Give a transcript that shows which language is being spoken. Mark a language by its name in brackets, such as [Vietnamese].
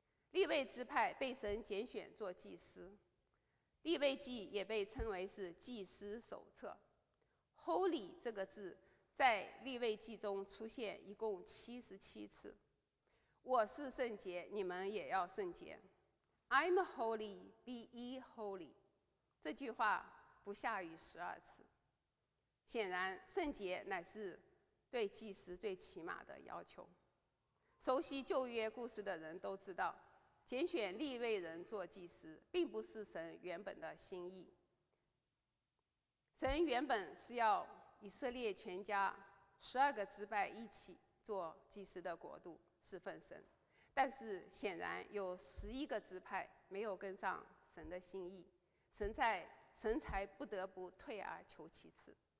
[Chinese] 立位支派被神拣选做祭司，立位记也被称为是祭司手册。 Holy 这个字在立位记中出现一共77次。我是圣洁，你们也要圣洁。 [English] I'm holy, be ye holy, [Chinese] 这句话不下于12次。显然圣洁乃是对祭司最起码的要求。熟悉旧约故事的人都知道，拣选立位人做祭司并不是神原本的心意。神原本是要以色列全家12个支派一起做祭司的国度侍奉神，但是显然有11个支派没有跟上神的心意，神才不得不退而求其次。